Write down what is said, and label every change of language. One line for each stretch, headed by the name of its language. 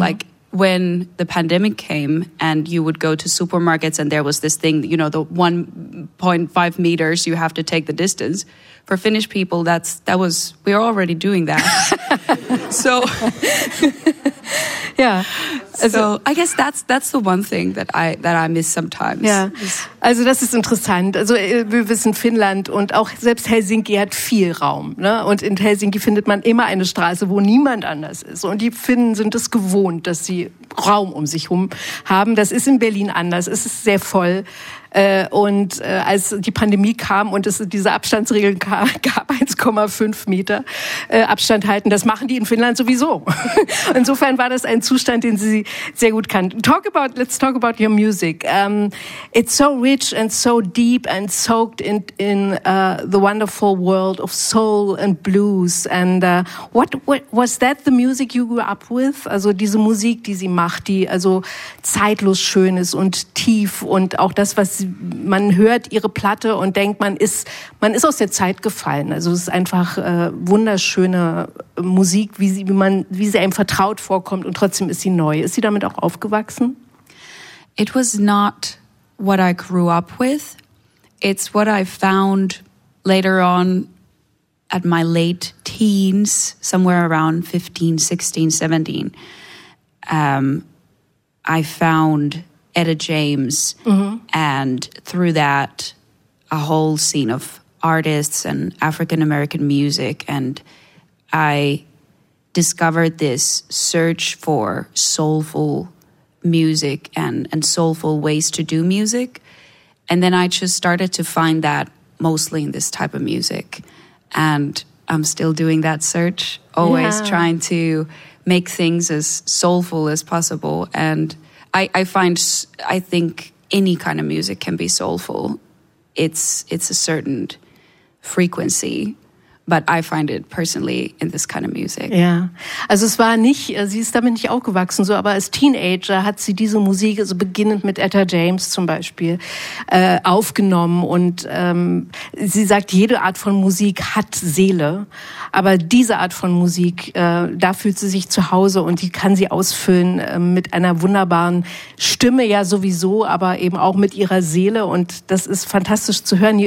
English: Like when the pandemic came and you would go to supermarkets and there was this thing, you know, the 1.5 meters, you have to take the distance. For Finnish people, that was we're already doing that. So, yeah. Also, so I guess that's the one thing that I miss sometimes.
German: Ja. Also das ist interessant. Also wir wissen, Finnland und auch selbst Helsinki hat viel Raum. Ne? Und in Helsinki findet man immer eine Straße, wo niemand anders ist. Und die Finnen sind es gewohnt, dass sie Raum um sich herum haben. Das ist in Berlin anders. Es ist sehr voll. Und als die Pandemie kam und es diese Abstandsregeln gab, 1,5 Meter Abstand halten, das machen die in Finnland sowieso. Insofern war das ein Zustand, den sie sehr gut kannten.
English: Let's talk about your music. It's so rich and so deep and soaked in the wonderful world of soul and blues. And what was that the music you grew up with?
German: Also diese Musik, die sie macht, die also zeitlos schön ist und tief und auch das, was man hört ihre Platte und denkt, man ist aus der Zeit gefallen. Also es ist einfach wunderschöne Musik, wie sie einem vertraut vorkommt und trotzdem ist sie neu. Ist sie damit auch aufgewachsen?
English: It was not what I grew up with. It's what I found later on at my late teens, somewhere around 15, 16, 17. I found Etta James, mm-hmm. and through that, a whole scene of artists and African American music, and I discovered this search for soulful music and soulful ways to do music, and then I just started to find that mostly in this type of music, and I'm still doing that search, always yeah. trying to make things as soulful as possible, and I think any kind of music can be soulful. It's a certain frequency, but I find it personally in this kind of music.
German: Ja, also es war nicht, sie ist damit nicht aufgewachsen, so, aber als Teenager hat sie diese Musik, also beginnend mit Etta James zum Beispiel, aufgenommen und sie sagt, jede Art von Musik hat Seele, aber diese Art von Musik, da fühlt sie sich zu Hause und die kann sie ausfüllen mit einer wunderbaren Stimme ja sowieso, aber eben auch mit ihrer Seele und das ist fantastisch zu hören.